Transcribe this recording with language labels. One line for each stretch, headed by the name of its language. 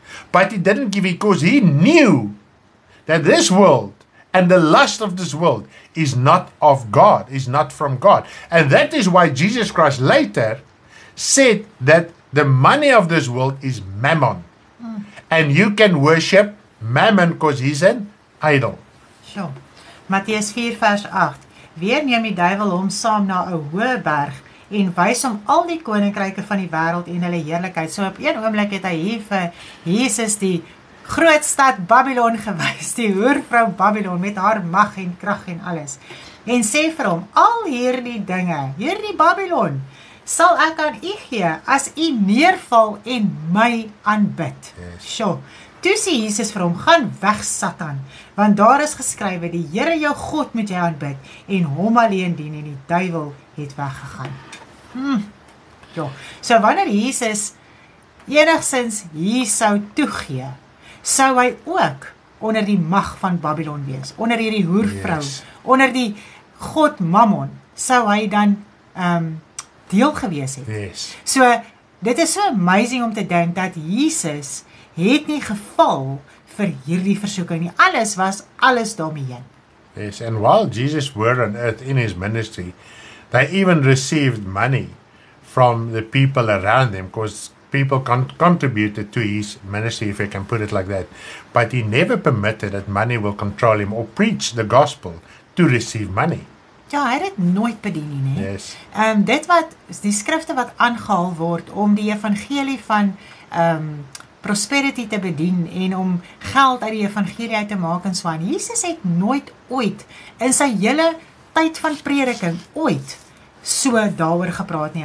English: But he didn't give it because he knew that this world and the lust of this world is not of God, is not from God. And that is why Jesus Christ later said that the money of this world is mammon. And you can worship mammon because he's an idol.
Afrikaans: Sure. Matteus 4 vers 8. Weer neem die duivel hom saam na 'n hoë berg en wys hom al die koninkryke van die wêreld en hulle heerlikheid. So op een oomblik het hy hier vir Jesus die groot stad Babylon gewys, die hoervrou Babylon met haar mag en krag en alles. En sê vir hom, al hierdie dinge, hierdie Babylon, sal ek aan u gee as u neerval en my aanbid.
English: Yes.
Afrikaans: Sjoe. Toe sê Jesus vir hom, gaan weg Satan, want daar is geskrywe, die Here jou God moet jy aanbid, en hom alleen dien, en die duivel het weggegaan. Ja, so wanneer Jesus enigsins hier sou toegee, sou hy ook onder die mag van Babylon wees, onder hierdie hoervrou, yes, onder die God Mammon, sou hy dan deel gewees het. Yes. So, dit is so amazing om te denk dat Jesus het nie geval vir hierdie versoeking nie. Alles was alles daarmee heen.
English: Yes, and while Jesus were on earth in his ministry, they even received money from the people around them because people contributed to his ministry, if I can put it like that. But he never permitted that money will control him or preach the gospel to receive money.
Afrikaans: Ja, hy het nooit bedien nie.
English: Yes.
Afrikaans: Dit wat, die skrifte wat aangehaal word om die evangelie van prosperity te bedien en om geld uit die evangelie uit te maak en so aan. Jesus het nooit ooit in sy hele tyd van prediking ooit so daaroor gepraat nie.